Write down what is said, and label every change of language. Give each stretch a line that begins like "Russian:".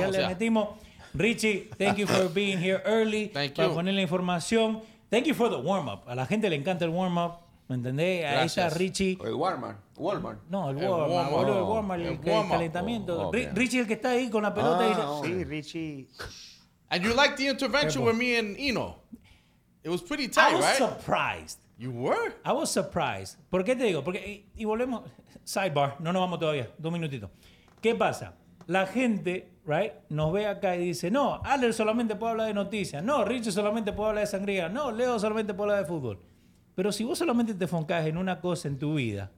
Spanish: ya le metimos.
English: Richie, thank you for being here early. Thank
Spanish: para
English: you.
Spanish: Poner la información.
English: Thank you for the warm-up.
Spanish: A la gente le encanta el warm-up. ¿Me entendés? Gracias. Ahí está Richie. El Walmart. No, el Walmart. Calentamiento.
English: Oh, okay.
Spanish: Richie es el que está ahí con la pelota. Sí, Richie.
English: And you liked the intervention with me and Ino. It was pretty tight, right? I was surprised. You were? I was surprised.
Spanish: ¿Por qué te digo? Porque, y volvemos, sidebar, no nos vamos todavía, dos minutitos. ¿Qué pasa? La gente, right, nos ve acá y dice, no, Aler solamente puede hablar de noticias. No, Richie solamente puede hablar de sangría. No, Leo solamente puede hablar de fútbol. Pero si vos solamente te enfocas en una cosa en tu vida,